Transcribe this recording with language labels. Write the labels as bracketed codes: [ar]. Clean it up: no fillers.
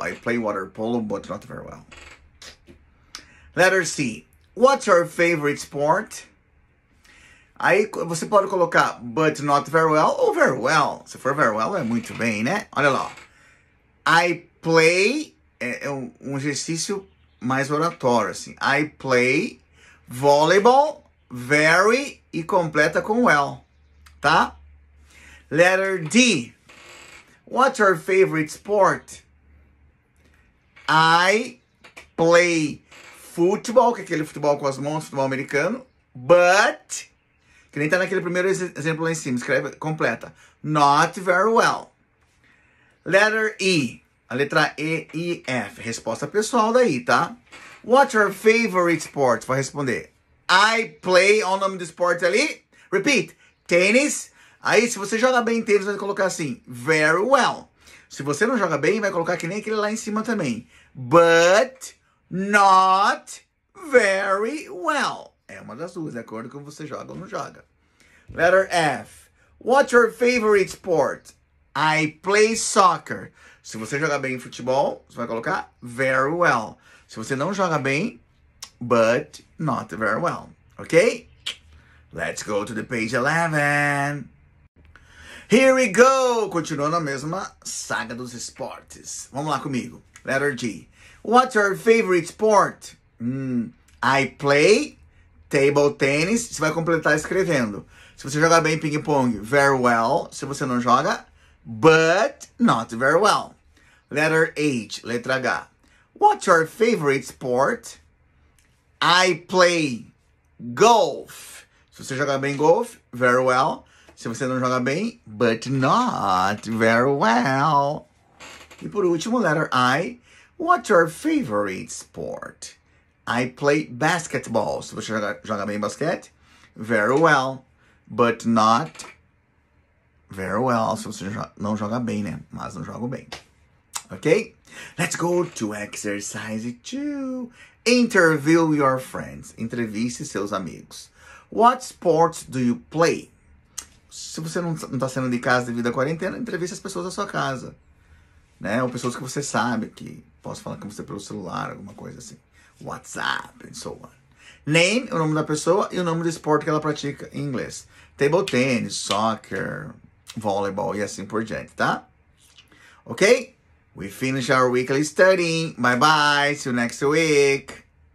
[en] I play water polo, but not very well. Letter C, what's your favorite sport? [pt] Aí você pode colocar, [en] but not very well, ou very well. [pt] Se for [en] very well, [pt] é muito bem, né? Olha lá. [en] I play, [pt] é um exercício mais oratório, assim. [en] I play volleyball, very, [pt] e completa com [en] well, tá? Letter D. What's your favorite sport? I play football, [pt] que é aquele futebol com as mãos, futebol americano, but... Que nem tá naquele primeiro exemplo lá em cima. Escreve completa. [en] Not very well. Letter E. [pt] A letra E, E, F. Resposta pessoal daí, tá? [en] What's your favorite sport? [pt] Vai responder. [en] I play, [pt] olha o nome do esporte ali. Repeat. Tênis. Aí, se você joga bem tênis, vai colocar assim. [en] Very well. [pt] Se você não joga bem, vai colocar que nem aquele lá em cima também. [en] But not very well. [pt] É uma das duas, de acordo com você joga ou não joga. [en] Letter F. What's your favorite sport? I play soccer. [pt] Se você joga bem em futebol, você vai colocar [en] very well. [pt] Se você não joga bem, [en] but not very well. Ok? Let's go to the page 11. Here we go! [pt] Continuando a mesma saga dos esportes. Vamos lá comigo. [en] Letter G. What's your favorite sport? I play... [pt] Table tennis, você vai completar escrevendo. Se você jogar bem ping-pong, [en] very well. [pt] Se você não joga, [en] but not very well. Letter H, [pt] letra H. [en] What's your favorite sport? I play golf. Se você jogar bem golf, very well. Se você não joga bem, but not very well. [pt] E por último, [en] letter I. What's your favorite sport? I play basketball. [pt] Se você joga bem basquete, [en] very well. But not very well. [pt] Se você não joga bem, né? Mas não jogo bem. Ok? [en] Let's go to exercise 2. Interview your friends. [pt] Entreviste seus amigos. [en] What sports do you play? [pt] Se você não está saindo de casa devido à quarentena, entreviste as pessoas da sua casa. Né? Ou pessoas que você sabe, que posso falar com você pelo celular, alguma coisa assim. WhatsApp, [en] and so on. [pt] Name, o nome da pessoa e o nome do esporte que ela pratica em inglês. Table tennis, soccer, volleyball e assim por diante, tá? [en] Ok? We finish our weekly studying. Bye-bye. See you next week.